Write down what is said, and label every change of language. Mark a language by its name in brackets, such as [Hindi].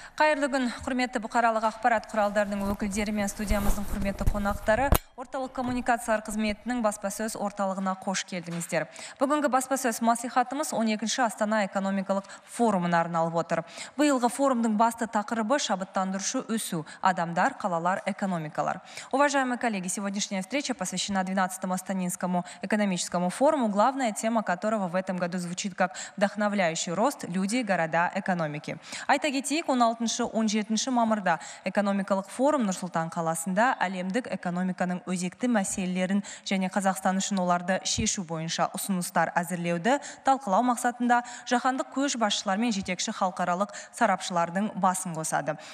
[Kazakh] Қайырлы күн, құрметті бұқаралық ақпарат құралдарының өкілдері мен студиямыздың құрметті қонақтары. Орталық коммуникациялар қызметінің баспасөз орталығына қош келдіңіздер. Бүгінгі баспасөз мәслихатымыз 12-ші Астана экономикалық форумына арналып отыр. Биылғы форумның басты тақырыбы шабыттандырушы өсу, адамдар, қалалар, экономикалар. [Russian] Уважаемые коллеги, сегодняшняя встреча посвящена 12-му Астанинскому экономическому форуму, главная тема которого в этом году звучит как «Вдохновляющий рост. Люди, города, экономики». [Kazakh] Айта кетейік, 16-17 мамырда экономикалық форум Нұрсұлтан қаласында әлемдік экономиканың өзекті мәселелерін және Қазақстан үшін оларды шешу бойынша ұсыныстар әзірлеуді талқылау мақсатында жаһандық көш басшылар мен жетекші халықаралық сарапшылардың басын қосады.